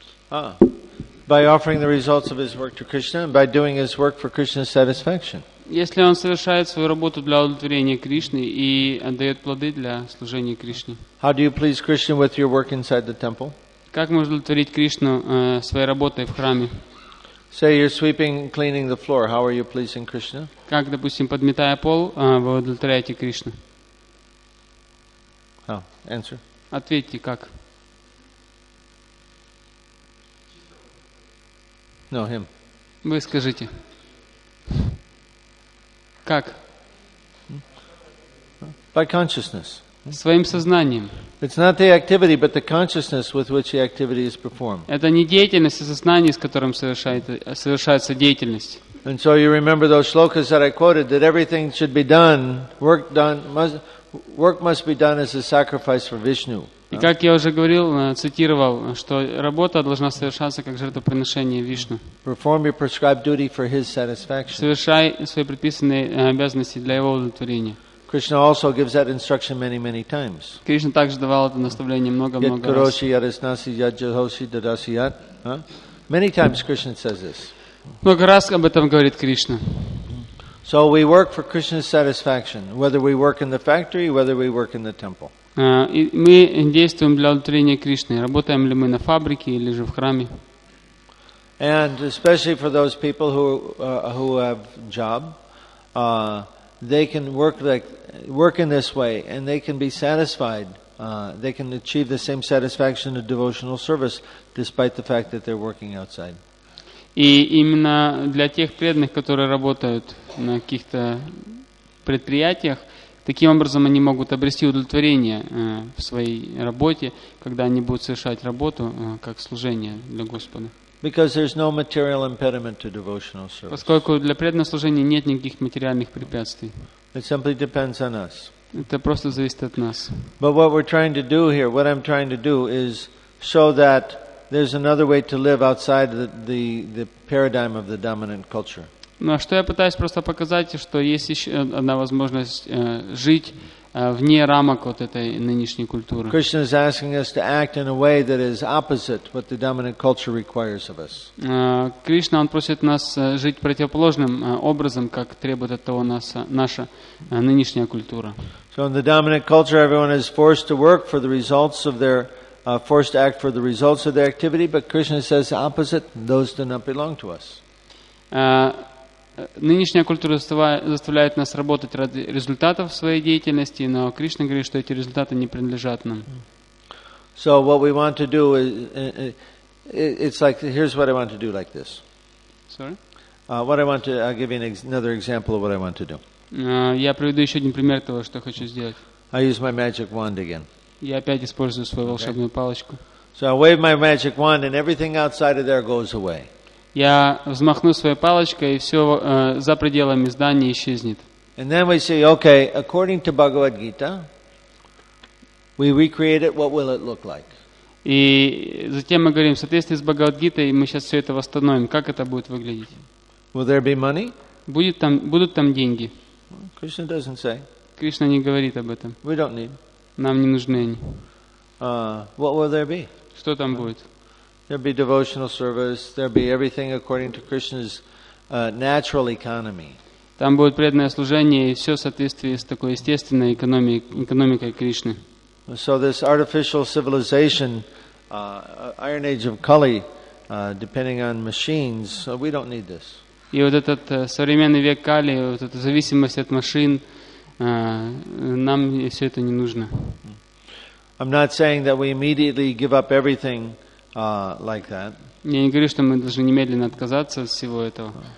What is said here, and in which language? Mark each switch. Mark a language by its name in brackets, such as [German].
[English] By offering the results of his work to Krishna and by doing his work for Krishna's satisfaction. [Russian] Если он совершает свою работу для удовлетворения Кришны и отдает плоды для служения Кришне. [English] How do you please Krishna with your work inside the temple? [Russian] Как можно удовлетворить Кришну своей работой в храме? [English] Say you're sweeping, cleaning the floor. How are you pleasing Krishna? [Russian] Как, допустим, подметая пол, вы удовлетворяете Кришну? [English] How? Answer. [Russian] Ответьте, как? [English] No, him. [Russian] Вы скажите. Как? [English] By consciousness. [Russian] Своим сознанием. [English] It's not the activity, but the consciousness with which the activity is performed. [Russian] Это не деятельность, а сознание, с которым совершается деятельность. [English] And so you remember those shlokas that I quoted, that everything should be done, work must be done as a sacrifice for Vishnu. [Russian] И как я уже говорил, цитировал, что работа должна совершаться как жертвоприношение Вишну. [English] Perform your prescribed duty for His satisfaction. [Russian] Совершай свои предписанные обязанности для Его удовлетворения. [English] Krishna also gives that instruction many, many times. [Russian] Кришна также давал это наставление много, много раз. [Sanskrit] Yad kuroshi yad asnasi yad jahosi dadasi yad. [English] Many times Krishna says this. [Russian] Много раз об этом говорит Кришна. [English] So we work for Krishna's satisfaction, whether we work in the factory, whether we work in the temple. [Russian] Мы действуем для удовлетворения Кришны. Работаем ли мы на фабрике или же в храме? [English] And especially for those people who have job. They can work in this way, and they can be satisfied. They can achieve the same satisfaction of devotional service, despite the fact that they're working outside. [Russian] И именно для тех преданных, которые работают на каких-то предприятиях, Таким образом, они могут обрести удовлетворение в своей работе, когда они будут совершать работу как служение для Господа. [English] Because there's no material impediment to devotional service. [Russian] Поскольку для преданного служения нет никаких материальных препятствий. [English] It simply depends on us. [Russian] Это просто зависит от нас. [English] But what we're trying to do here, what I'm trying to do is show that there's another way to live outside the paradigm of the dominant culture. [Russian] Ну, а что я пытаюсь просто показать, что есть еще одна возможность жить вне рамок вот этой нынешней культуры. [English] Krishna is asking us to act in a way that is opposite what the dominant culture requires of us. [Russian] Кришна, он просит нас жить противоположным образом, как требует от того нас наша нынешняя культура. [English] So in the dominant culture, everyone is forced to work for the results of their forced to act for the results of their activity, but Krishna says the opposite, those do not belong to us. [Russian] Нынешняя культура заставляет нас работать ради результатов своей деятельности, но Кришна говорит, что эти результаты не принадлежат нам. [English] So what we want to do is, it's like, here's what I want to do like this. Sorry? I'll give you another example of what I want to do. [Russian] Я приведу еще один пример того, что хочу сделать. [English] I use my magic wand again. [Russian] Я опять использую свою волшебную палочку. [English] So I wave my magic wand and everything outside of there goes away. [Russian] Я взмахну своей палочкой, и все за пределами здания исчезнет. [English] And then we say, okay, according to Bhagavad Gita, we recreate it, what will it look like? [Russian] И затем мы говорим, в соответствии с Бхагавад Гитой, мы сейчас все это восстановим. Как это будет выглядеть? [English] Will there be money? [Russian] Будут там деньги? [English] Krishna doesn't say. [Russian] Кришна не говорит об этом. [English] We don't need. [Russian] Нам не нужны они. [English] What will there be? [Russian] Что там будет? [English] There'll be devotional service. There'll be everything according to Krishna's natural economy. [Russian] Там будет преданное служение и все в соответствии с такой естественной экономикой Кришны. [English] So this artificial civilization, Iron Age of Kali, depending on machines, so we don't need this. [Russian] И вот этот современный век Кали, вот эта зависимость от машин, нам все это не нужно. [English] I'm not saying that we immediately give up everything. Like that. [Russian] Я не говорю, что мы должны немедленно отказаться от всего этого.